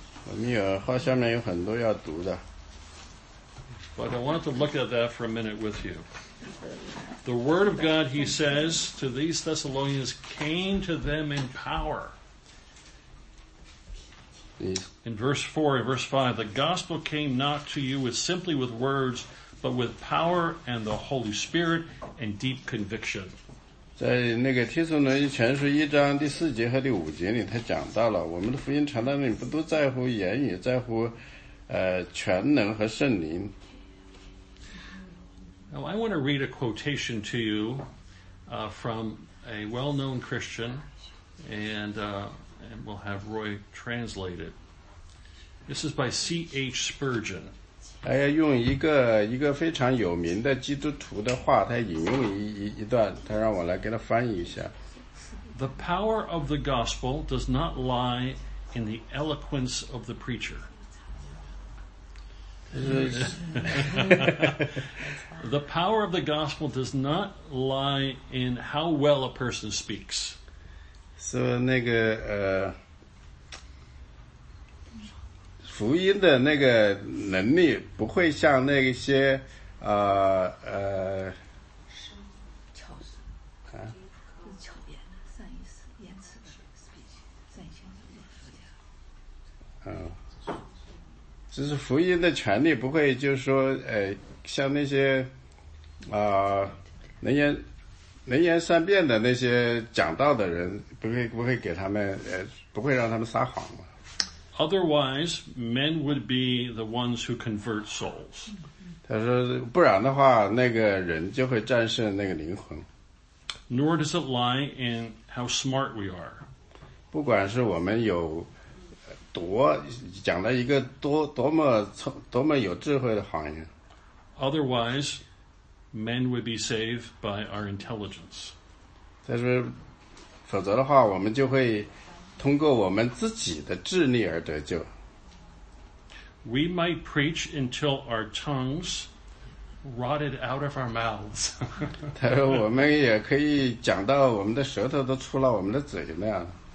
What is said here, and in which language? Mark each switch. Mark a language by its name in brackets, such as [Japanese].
[Chinese] 我们有话下面有很多要读的。 [English] But I wanted to look at that for a minute with you. The word of God, he says, to these Thessalonians came to them in power. In verse 4 and verse 5, the gospel came not to you simply with words, but with power and the Holy Spirit and deep conviction. [Chinese] 在那个帖撒罗尼前书一章第四节和第五节里他讲到了我们的福音传道人不都在乎言语在乎全能和圣灵。 [English] Now I want to read a quotation to you, from a well-known Christian and we'll have Roy translate it. This is by C.H. Spurgeon. [Chinese] 哎呀，用一个非常有名的基督徒的话，他引用一段，他让我来给他翻译一下。 [English] The power of the gospel does not lie in the eloquence of the preacher. The power of the gospel does not lie in how well a person speaks. [Chinese] So, 那个福音的那个能力不会像那些就是福音的权力不会就是说像那些能言善辩的那些讲道的人不会给他们不会让他们撒谎吗 [English] Otherwise, men would be the ones who convert souls. [Chinese] 他说不然的话那个人就会战胜那个灵魂。 [English] Nor does it lie in how smart we are. [Chinese] 不管是我们有多讲了一个多么有智慧的谎言。 [English] Otherwise,Men would be saved by our intelligence. [Chinese] 他说，否则的话，我们就会通过我们自己的智力而得救。 [English] we might preach until our tongues rotted out of our mouths. [Chinese] 他说我们也可以讲到我们的舌头都出了我们的嘴那样。